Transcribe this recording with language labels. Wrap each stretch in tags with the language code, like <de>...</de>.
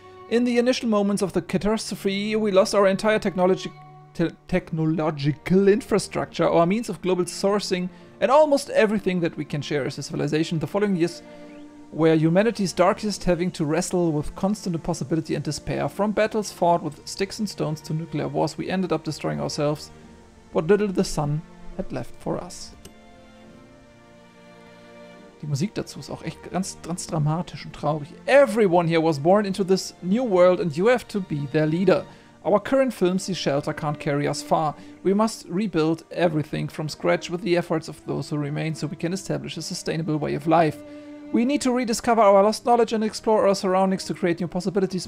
<en>In the initial moments of the catastrophe, we lost our entire technological infrastructure, our means of global sourcing, and almost everything that we can share as a civilization. The following years were humanity's darkest, having to wrestle with constant impossibility and despair. From battles fought with sticks and stones to nuclear wars, we ended up destroying ourselves. What little the sun had left for us.</en> <de>Die Musik dazu ist auch echt ganz, ganz dramatisch und traurig.</de> <en>Everyone here was born into this new world and you have to be their leader. Our current filmsy shelter can't carry us far. We must rebuild everything from scratch with the efforts of those who remain so we can establish a sustainable way of life. We need to rediscover our lost knowledge and explore our surroundings to create new possibilities.</en>